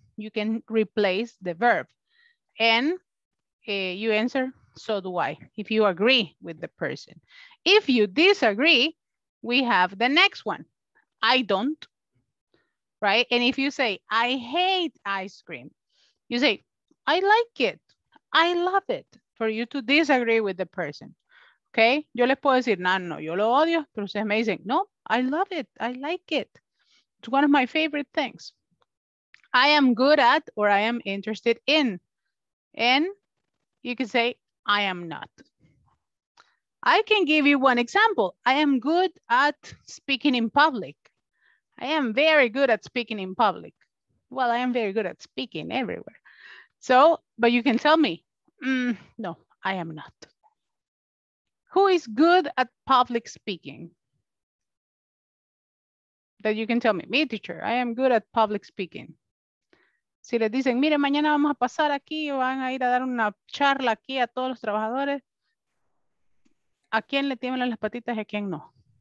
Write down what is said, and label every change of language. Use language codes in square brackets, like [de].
[en] You can replace the verb. And you answer, so do I, if you agree with the person. If you disagree, we have the next one. I don't, right? And if you say, I hate ice cream, you say, I like it. I love it, for you to disagree with the person. Okay? [es] Yo les puedo decir, no, yo lo odio, pero ustedes me dicen, no, [en] I love it. I like it. It's one of my favorite things. I am good at, or I am interested in. And you can say, I am not. I can give you one example. I am good at speaking in public. I am very good at speaking in public. Well, I am very good at speaking everywhere. So, but you can tell me, no, I am not. Who is good at public speaking? That you can tell me, me teacher, I am good at public speaking. [es] Si les dicen, mire, mañana vamos a pasar aquí, van a ir a dar una charla aquí a todos los trabajadores. ¿A quién le tiemblan las patitas y a quién no?